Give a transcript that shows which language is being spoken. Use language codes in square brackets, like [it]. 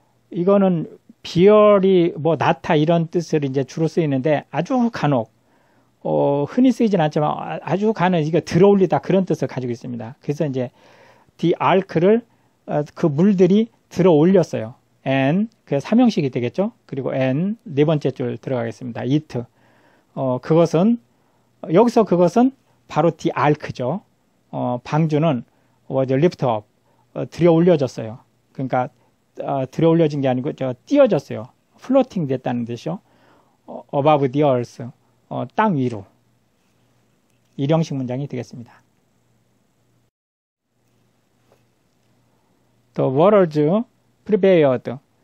[ko] 이거는 비열이 뭐 나타 이런 뜻을 이제 주로 쓰이는데 아주 간혹 흔히 쓰이진 않지만 아주 간혹 이거 들어올리다 그런 뜻을 가지고 있습니다. 그래서 이제 the ark를 그 물들이 들어올렸어요. and 그 삼형식이 되겠죠? 그리고 and 네 번째 줄 들어가겠습니다. [en] it. [ko] 그것은 여기서 그것은 바로 the ark죠. 방주는 [en] was lift up [ko] 들여올려졌어요. 그러니까 들여올려진 게 아니고 저 띄어졌어요. 플로팅 됐다는 뜻이요. [en] above the earth [ko] 땅 위로 일형식 문장이 되겠습니다. [en] The waters prevailed.